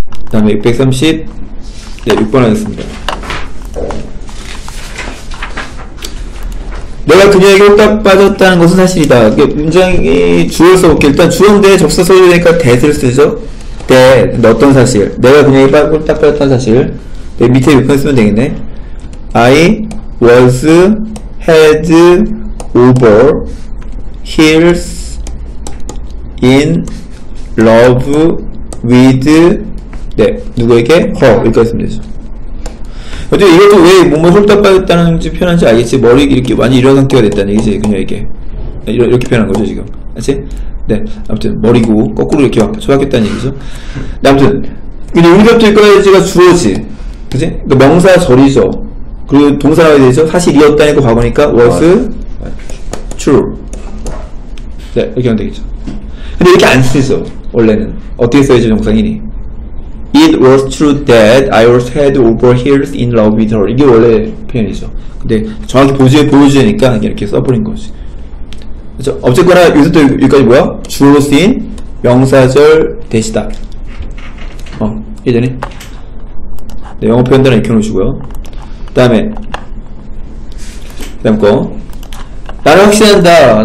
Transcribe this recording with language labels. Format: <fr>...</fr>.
<ko>다음에 630. 네, 6번 하겠습니다. 내가 그녀에게 홀딱 빠졌다는 것은 사실이다. 문장이 주어 써볼게요. 일단 주어인데 접속사 써야 되니까 that을 쓰죠. that. 어떤 사실. 내가 그녀에게 홀딱 빠졌다는 사실. 네, 밑에 6번 쓰면 되겠네.</ko> <en>I was head over heels in love with</en> <ko>네, 누구에게?</ko> <en>her.</en> <ko>이렇게 했으면 되죠. 어쨌든 이것도 왜 몸을 홀딱 빠졌다는 표현한지 알겠지? 머리 이렇게 완전히 이런 상태가 됐다는 얘기지, 그녀에게. 이렇게 표현한 거죠, 지금. 알지? 네. 아무튼, 머리고, 거꾸로 이렇게 쳐박혔다는 얘기죠. 네, 아무튼, 근데 응답될까지가 주어지. 그치? 그러니까 명사절이죠. 그리고 동사라고 해야 되죠? 사실이었다는 거 과거니까,</ko> <en>was true.</en> <ko>네, 이렇게 하면 되겠죠. 근데 이렇게 안 쓰죠, 원래는. 어떻게 써야지, 정상이니?</ko> <en>It was true that I was head over heels in love with her.</en> <ko>이게 원래 표현이죠. 근데 정확히 보여주니까 이렇게 써버린 거지. 그렇죠? 어쨌거나 요새도 여기까지 뭐야? 주어로 쓰인 명사절 대시다. 어, 예전에. 네, 영어 표현들은 익혀놓으시고요. 다음에. 다음 거. 나는 확신한다.</ko>